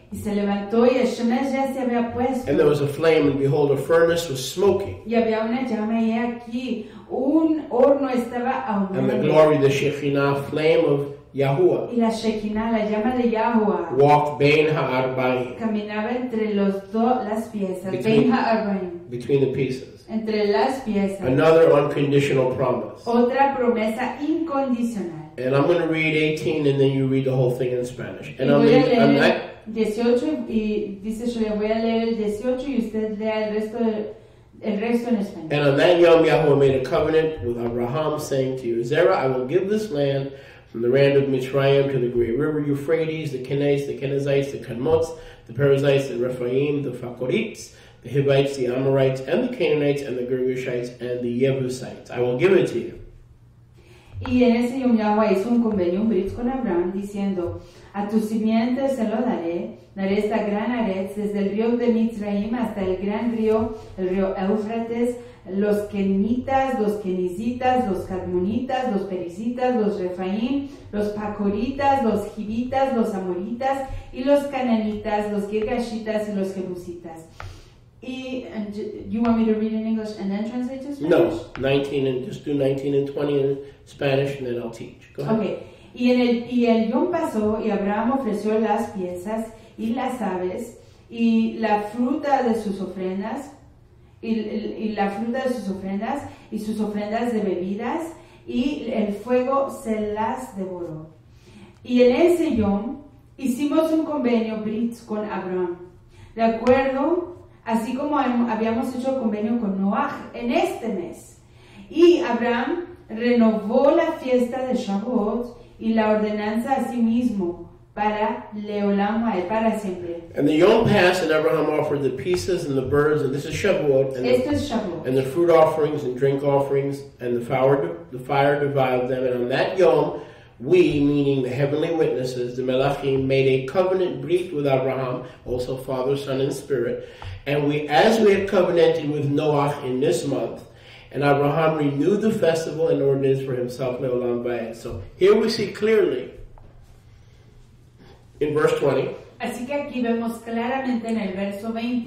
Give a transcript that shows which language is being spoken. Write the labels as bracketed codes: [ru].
[es] Y se levantó y el sol ya se había puesto. [en] And there was a flame and behold a furnace was smoking. [es] Y había una llama y aquí un horno estaba ahumando. [en] And the glory, the Shekhinah, flame of Yahuwah. [es] Y la Shekhinah, la llama de Yahuwah. [en] Walked Bein Ha'arba'im. [es] Caminaba entre los las piezas. Bein Ha'arba'im. [en] Between the pieces. [es] Entre las piezas. [en] Another unconditional promise. [es] Otra promesa incondicional. [en] And I'm going to read 18 and then you read the whole thing in Spanish. And I'm going to read 18 [es] y dice yo le voy a leer el 18 y usted lea el resto en español. [en] And on that Yom Yahuwah made a covenant with Abraham saying to you, Zerah, I will give this land from the land of Mitzrayim to the great river Euphrates, the Kenites, the Kenizzites, the Kenmots, the Perizzites, the Rephaim, the Phacorites, the Hivites, the Amorites, and the Canaanites, and the Girgashites, and the Jebusites. I will give it to you. [es] Y en ese Yom Yahuwah hizo un convenio, un brit con Abraham, diciendo, a tu simiente se lo daré, daré esta gran aret, desde el río de Mitzrayim hasta el gran río, el río Éufrates, los Kenitas, los Kenizitas, los Cadmonitas, los Perizitas, los Rephaim, los Pacoritas, los Hivitas, los Amoritas, y los Cananitas, los Girgashitas, y los Jebusitas. [en] You want me to read in English and then translate to Spanish? No, 19 and just do 19 and 20 in Spanish and then I'll teach. Go ahead. Okay. [es] Y el yom pasó y Abraham ofreció las piezas y las aves y la fruta de sus ofrendas y sus ofrendas de bebidas y el fuego se las devoró. Y en ese yom hicimos un convenio brit con Abraham. De acuerdo. Así como habíamos hecho convenio con Noaj en este mes. Y Abraham renovó la fiesta de Shavuot y la ordenanza a sí mismo para Leolam Ha'ed, para siempre. [en] And the Yom passed and Abraham offered the pieces and the birds, and this is Shavuot. [es] Esto es Shavuot. [en] And the fruit offerings and drink offerings and the fire devoured them. And on that Yom, we, meaning the heavenly witnesses, the Melachim, made a covenant brit with Abraham, also Father, Son, and Spirit. And we, as we had covenanted with Noach in this month, and Abraham renewed the festival and ordinance for himself, Leolam Vayet. So here we see clearly, in verse 20, [es] así que aquí vemos claramente en el verso 20,